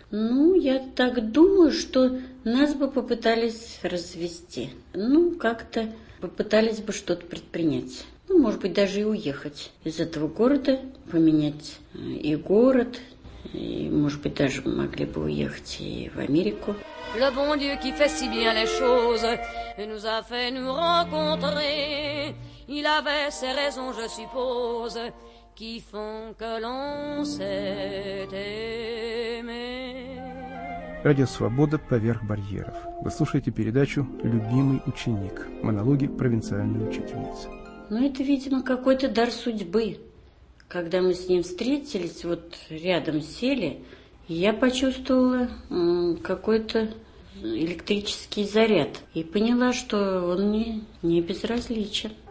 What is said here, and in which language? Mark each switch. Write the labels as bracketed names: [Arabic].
[Russian] Ну, я так думаю, что нас бы попытались развести. Ну, как-то попытались бы что-то предпринять. Ну, может быть, даже и уехать из этого города, поменять и город, и, может быть, даже могли бы уехать и в Америку. [French] Le bon Dieu qui fait si bien les choses nous a fait nous rencontrer. Il avait ses raisons, je suppose, qui font que l'on s'est aimé. [Russian] Радио «Свобода. Поверх барьеров». Вы слушаете передачу «Любимый ученик». Монологи провинциальной учительницы. Ну, это, видимо, какой-то дар судьбы. Когда мы с ним встретились, вот рядом сели, я почувствовала какой-то электрический заряд и поняла, что он мне не безразличен.